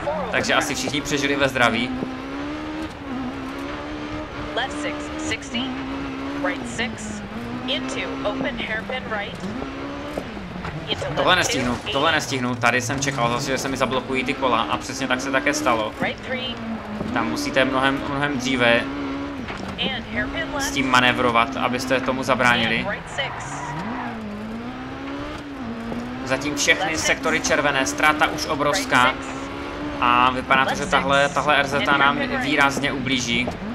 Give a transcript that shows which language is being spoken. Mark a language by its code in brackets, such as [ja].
[cs] Takže asi všichni přežili ve zdraví. [en] Left 6, 60, right 6, into open hairpin right. [cs] Tohle nestihnu, tohle nestihnu. Tady jsem čekal zase, že se mi zablokují ty kola a přesně tak se také stalo. Tam musíte mnohem dříve s tím manévrovat, abyste tomu zabránili. Zatím všechny sektory červené, ztráta už obrovská. A vypadá to, že tahle RZ nám výrazně ublíží.